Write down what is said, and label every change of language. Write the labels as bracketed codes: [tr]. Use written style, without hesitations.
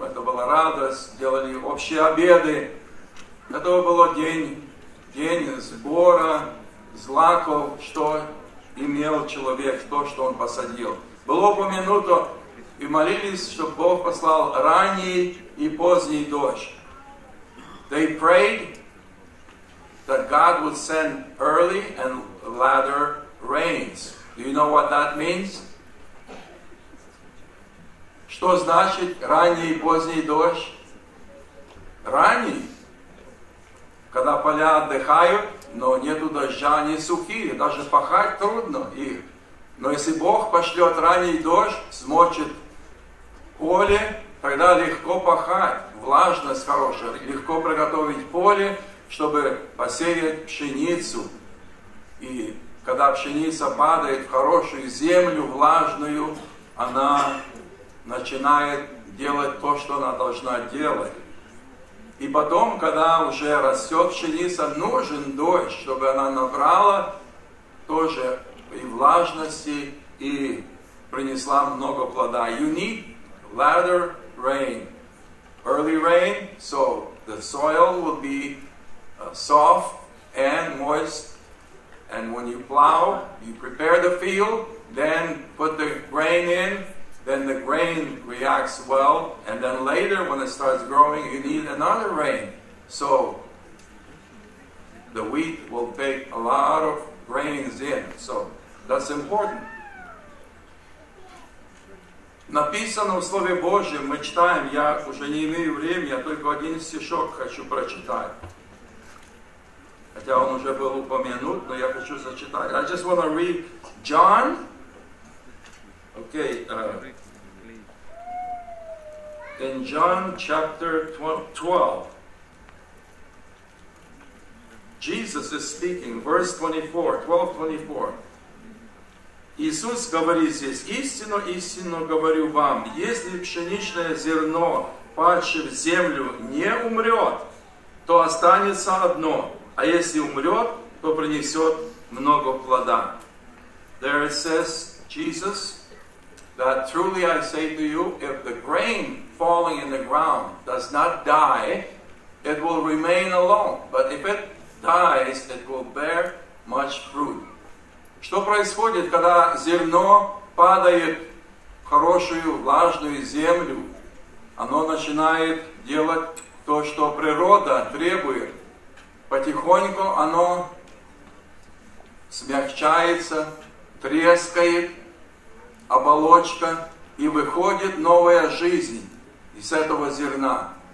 [ru] Это была радость, делали общие обеды. Это был день сбора злаков, что имел человек, то, что он посадил. Было упомянуто, и молились, чтобы Бог послал ранний и поздний дождь. [en] They prayed that God would send early and latter rains. Do you know what that means? [ru] Что значит ранний и поздний дождь? Ранний, когда поля отдыхают, но нету дождя, они сухие, даже пахать трудно их. Но если Бог пошлет ранний дождь, смочит поле, тогда легко пахать, влажность хорошая, легко приготовить поле, чтобы посеять пшеницу. И когда пшеница падает в хорошую землю, влажную, она начинает делать то, что она должна делать. И потом, когда уже растет пшеница, нужен дождь, чтобы она набрала тоже и влажности, и принесла много плода. [en] You need later rain. Early rain, so the soil will be soft and moist. And when you plow, you prepare the field, then put the grain in, then the grain reacts well, and then later when it starts growing, you need another rain. So the wheat will take a lot of grains in. So that's important. [ru] Написано в Слове Божьем, мы читаем, я уже не имею времени, я только один стишок хочу прочитать. Хотя он уже был упомянут, но я хочу зачитать. [en] I just want to read John. Okay. In John chapter 12. Jesus is speaking. Verse 24. 12:24. [ru] Иисус говорит здесь, истинно, истинно говорю вам, если пшеничное зерно, падшее в землю, не умрет, то останется одно, а если умрет, то принесет много плода. [en] There it says, Jesus, that truly I say to you, if the grain falling in the ground does not die, it will remain alone, but if it dies, it will bear much fruit. [ru] Что происходит, когда зерно падает в хорошую влажную землю? Оно начинает делать то, что природа требует. Потихоньку оно смягчается, трескает оболочка и выходит новая жизнь из этого зерна.